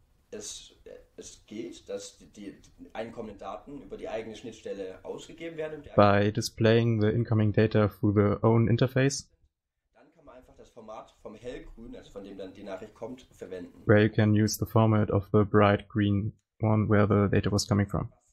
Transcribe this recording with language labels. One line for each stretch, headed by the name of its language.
German: Es geht, dass die einkommenden Daten über die eigene Schnittstelle ausgegeben werden.
English: By displaying the incoming data through the own interface.
German: Dann kann man einfach das Format vom hellgrün, also von dem dann die Nachricht kommt, verwenden.
English: Where you can use the format of the bright green one where the data was coming from.